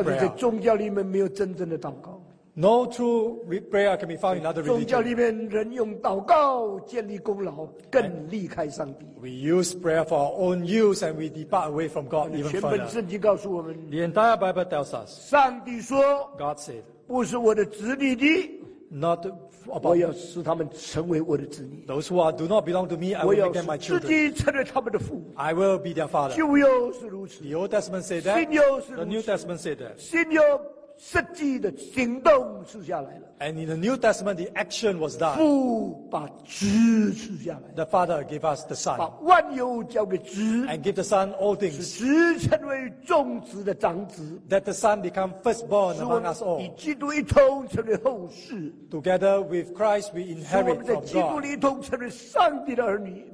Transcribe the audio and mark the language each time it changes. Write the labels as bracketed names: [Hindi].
[Chinese] 我告诉你，在宗教里面没有真正的祷告 [English] no true prayer can be found in other religion. [Chinese] 宗教里面人用祷告建立功劳，更离开上帝 [English] we use prayer for our own use and we depart away from God even further. [Chinese] 全本圣经告诉我们 [English] the entire Bible tells us. [Chinese] 上帝说 [English] God said. [Chinese] 不是我的子女的 [English] Not about [Chinese] 我要使他们成为我的子女 [English] Those who are, do not belong to me, I will make them my children. [Chinese] 自己成为他们的父 [English] I will be their father. [Chinese] 旧约是如此 [English] The Old Testament said that. [Chinese] 新约是如此 [English] The New Testament said that. [Chinese] 新约实际的行动是下来了 [English] And in the New Testament, the action was done. [Chinese] 父把子赐下来 [English] The Father gave us the Son. [Chinese] 把万有交给子 [English] And give the Son all things. [Chinese] 使子成为众子的长子 [English] That the Son become firstborn among us all. [Chinese] 与基督一同成为后世 [English] Together with Christ, we inherit from God. [Chinese] 使我们在基督里一同成为上帝的儿女